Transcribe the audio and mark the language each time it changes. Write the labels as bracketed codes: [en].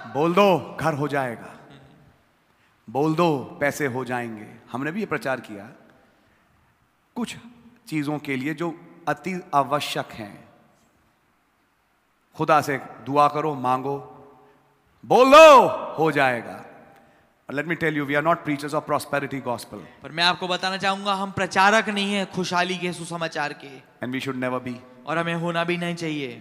[hi] बोल दो घर हो जाएगा। बोल दो पैसे हो जाएंगे। हमने भी ये प्रचार किया कुछ चीजों के लिए जो अति आवश्यक हैं। खुदा से दुआ करो, मांगो, बोल दो हो जाएगा। [en] Let me tell you, we are not preachers of prosperity gospel. [hi] पर मैं आपको बताना चाहूंगा, हम प्रचारक नहीं है खुशहाली के सुसमाचार के। [en] And we should never be. [hi] और हमें होना भी नहीं चाहिए।